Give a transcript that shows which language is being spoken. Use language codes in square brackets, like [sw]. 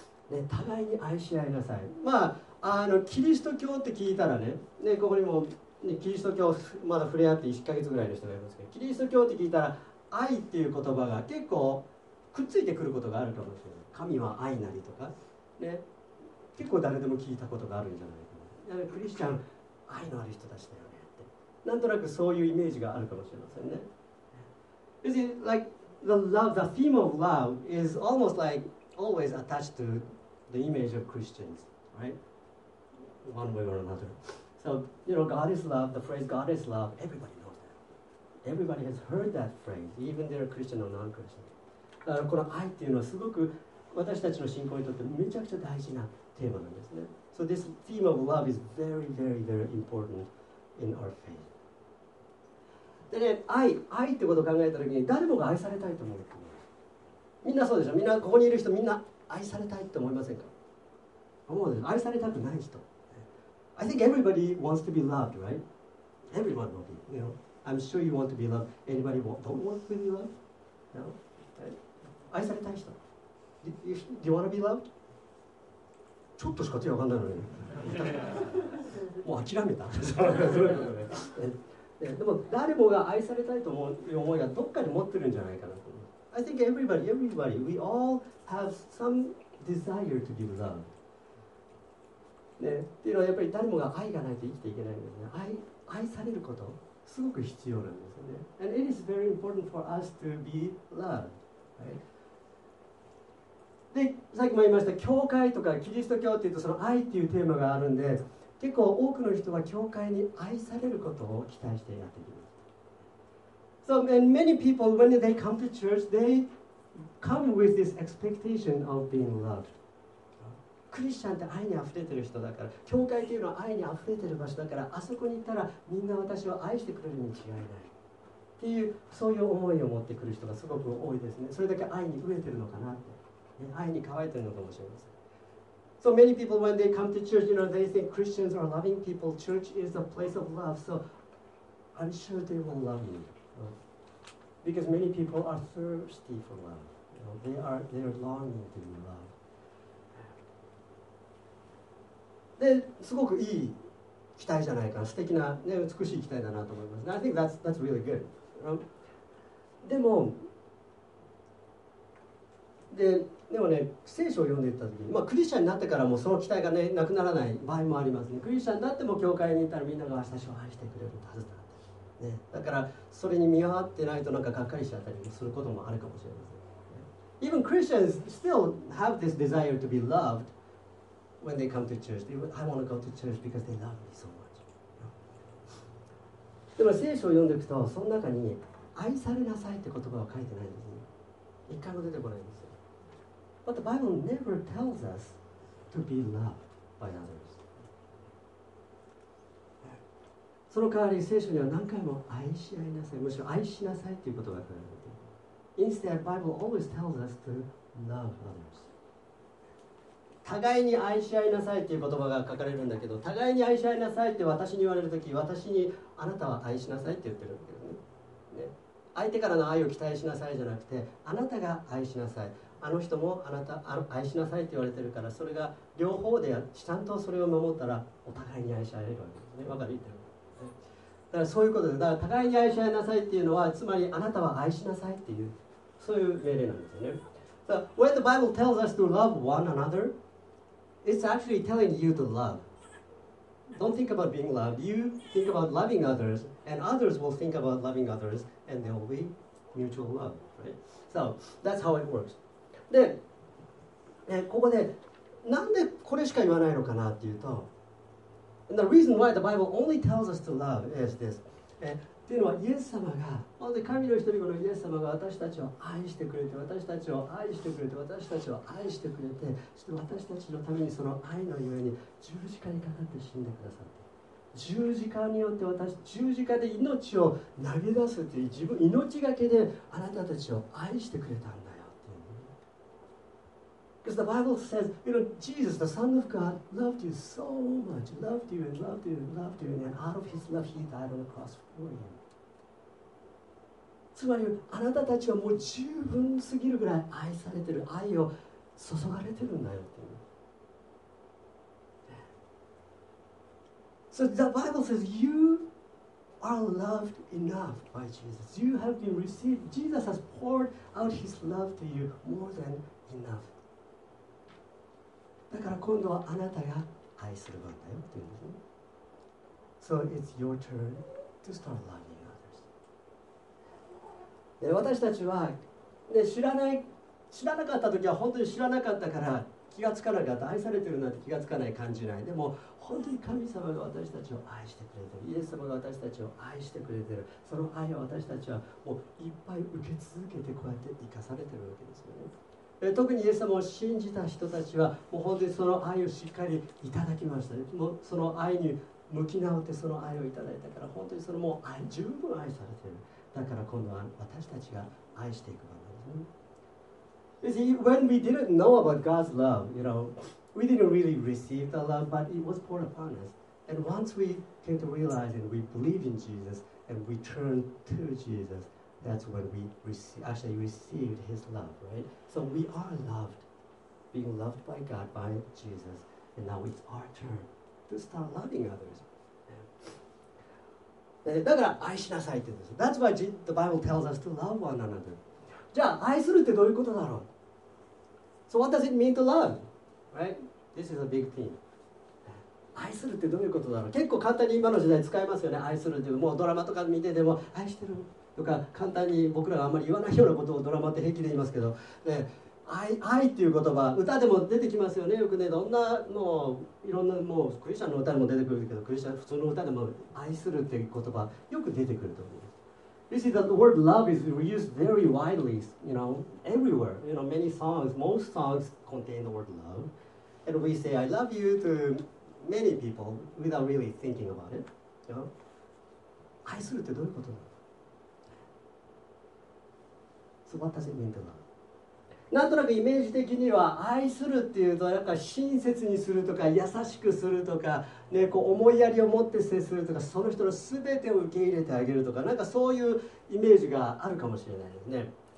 [ja] ね、互いに愛し合いなさい。まあ、あのキリスト教って聞いたらね、ね、ここにも、ね、キリスト教まだ触れ合って1ヶ月ぐらいの人がいますけど、キリスト教って聞いたら愛っていう言葉が結構くっついてくることがあるかもしれない。神は愛なりとか、ね、結構誰でも聞いたことがあるんじゃないかな。クリスチャン愛のある人たちだよねって、なんとなくそういうイメージがあるかもしれませんね。 [en] You see, like the love, the theme of love is almost like always attached to the image of Christians, right? One way or another. So, you know, God is love. The phrase God is love, everybody knows that. Everybody has heard that phrase, even they're Christian or non-Christian. [ja] だからこの愛っていうのはすごく私たちの信仰にとってめちゃくちゃ大事なテーマなんですね。 [en] So this theme of love is very, very, very important in our faith. [ja] でね、愛、愛ってことを考えたときに誰もが愛されたいと思う。みんなそうでしょ。みんなここにいる人みんな愛されたいと思いませんか。思うでしょ。愛されたくない人。 [en] I think everybody wants to be loved, right? Everyone will be. You know, I'm sure you want to be loved. Anybody don't want to be loved? No? Right? [ja] 愛されたい人。 [en] Do you want to be loved? [ja] ちょっとしか手が分かんないのに、もう諦めた。でも誰もが愛されたいと思う思いがどっかに持ってるんじゃないかなと。 [en] I think everybody, we all have some desire to be loved. [ja] ね、っていうのはやっぱり誰もが愛がないと生きていけないんですね。愛されることすごく必要なんですよね。 [en] And it is very important for us to be loved.、Right? [ja] で、さっきも言いました、教会とかキリスト教っていうとその愛っていうテーマがあるんで、結構多くの人は教会に愛されることを期待してやってきます。 So, and many people, when they come to church, they come with this expectation of being loved. クリスチャンって愛にあふれてる人だから、教会っていうのは愛にあふれてる場所だから、あそこに行ったらみんな私を愛してくれるに違いない。っていう、そういう思いを持ってくる人がすごく多いですね。それだけ愛に飢えてるのかなって。愛に乾いてるのかもしれません。 [en] So many people when they come to church, you know, they think Christians are loving people. Church is a place of love. So I'm sure they will love me. Because many people are thirsty for love. You know, they are longing to be loved. [ja] で、すごくいい期待じゃないか。素敵な、ね、美しい期待だなと思います。 [en] And、I think that's really good. You know? [ja] でもね、聖書を読んでいったときに、まあ、クリスチャンになってからもその期待が、ね、なくならない場合もありますね。クリスチャンになっても教会に行ったらみんなが私たちを愛してくれるはずだ、ね。だからそれに見合ってないとなんかがっかりしちゃったりすることもあるかもしれません。 [en] ね、Even Christians still have this desire to be loved when they come to church. I want to go to church because they love me so much. [ja] でも聖書を読んでいくと、その中に愛されなさいって言葉は書いてないんですね。一回も出てこないんです。 [en] But the Bible never tells us to be loved by others. [ja] その代わり聖書には何回も愛し合いなさい、むしろ愛しなさいということが書かれている。 [en] Instead, Bible always tells us to love others. [ja] 互いに愛し合いなさいという言葉が書かれるんだけど、互いに愛し合いなさいって私に言われるとき、私にあなたは愛しなさいって言ってるんだけどね。ね、相手からの愛を期待しなさいじゃなくて、あなたが愛しなさい。あの人もあなた愛しなさいって言われてるから、それが両方でちゃんとそれを守ったらお互いに愛し合えるわけですね。分かる言ってる。だからそういうことで、だから互いに愛し合いなさいっていうのは、つまりあなたは愛しなさいっていう、そういう命令なんですよね。 [en] So, when the Bible tells us to love one another, it's actually telling you to love. Don't think about being loved. You think about loving others, and others will think about loving others, and they'll be mutual love, right? So that's how it works. [ja] で、ここでなんでこれしか言わないのかなっていうと、 [en] and the reason why the Bible only tells us to love is this. [ja] っていうのはイエス様が、本当に神の一人子のイエス様が私たちを愛してくれて、私たちを愛してくれて、私たちを愛してくれて、そして私たちのためにその愛のゆえに十字架にかかって死んでくださって、十字架によって私、十字架で命を投げ出すっていう自分、命がけであなたたちを愛してくれたんだよっていう。 [en] Because the Bible says, you know, Jesus, the Son of God, loved you so much, loved you and loved you and loved you, and out of his love, he died on the cross for you. [ja] つまり、あなたたちはもう十分すぎるぐらい愛されてる、愛を注がれてるんだよっていう。 [en] So the Bible says you are loved enough by Jesus. You have been received. Jesus has poured out his love to you more than enough. [ja] だから今度はあなたが愛する番だよっていうんですね。 [en] So it's your turn to start loving others. [ja] で、私たちは、ね、知らなかった時は本当に知らなかったから気がつかなかった、愛されてるなんて気がつかない、感じない。でも本当に神様が私たちを愛してくれてる、イエス様が私たちを愛してくれてる、その愛を私たちはもういっぱい受け続けて、こうやって生かされてるわけですよね。特にイエス様を信じた人たちはもう本当にその愛をしっかりいただきましたね。もうその愛に向き直ってその愛をいただいたから、本当にそれもう十分愛されてる。だから今度は私たちが愛していく番なんですね。 [en] You see, when we didn't know about God's love, you know, we didn't really receive the love, but it was poured upon us. And once we came to realize and we believe in Jesus and we turned to Jesus, that's when we actually received his love, right? So we are loved, being loved by God, by Jesus, and now it's our turn to start loving others. [ja] だから愛しなさいって言うんです。 [en] That's why the Bible tells us to love one another. [ja] じゃあ愛するってどういうことだろう。 [en] So what does it mean to love? Right? This is a big thing. [ja] 愛するってどういうことだろう。結構簡単に今の時代使えますよね。愛するって、もうドラマとか見てでも愛してるとか、簡単に僕らがあんまり言わないようなことをドラマって平気で言いますけど、で 愛っていう言葉、歌でも出てきますよね。よくね、どんなもういろんなもうクリスチャンの歌でも出てくるけど、クリスチャン普通の歌でも愛するっていう言葉よく出てくると思う。 [en] You see that the word love is used very widely, you know, everywhere. You know, many songs, most songs contain the word love. And we say, I love you to many people without really thinking about it. You know? [ja] 愛するってどういうことなの? [en] So what does it mean to love? [ja] なんとなくイメージ的には愛するっていうと、なんか親切にするとか優しくするとか、ね、こう思いやりを持って接するとか、その人の全てを受け入れてあげるとか、なんかそういうイメージがあるかもしれないですね。